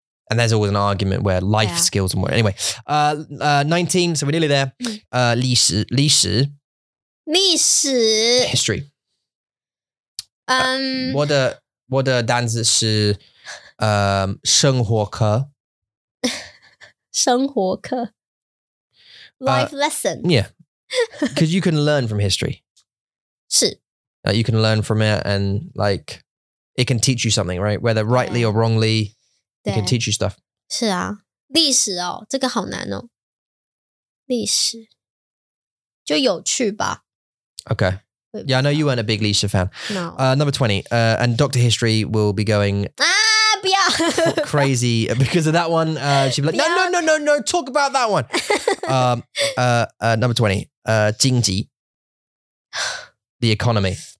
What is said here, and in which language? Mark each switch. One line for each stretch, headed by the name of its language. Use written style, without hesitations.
English: and there's always an argument where life skills and more anyway 19 so we're nearly there 历史 history what the
Chinese: 单字是生活课
English: life lesson yeah because you can learn from history
Chinese: 是
English: You can learn from it and like, it can teach you something, right? Whether rightly or wrongly, it can teach you stuff.
Chinese: 是啊,历史哦,这个好难哦。历史,就有趣吧。
English: Okay. Yeah, I know you weren't a big 历史 fan. No. Number 20, and Dr. History will be going...
Chinese: Ah, 不要!
English: crazy, because of that one, she'd be like, no, talk about that one. number 20, 经济。The economy.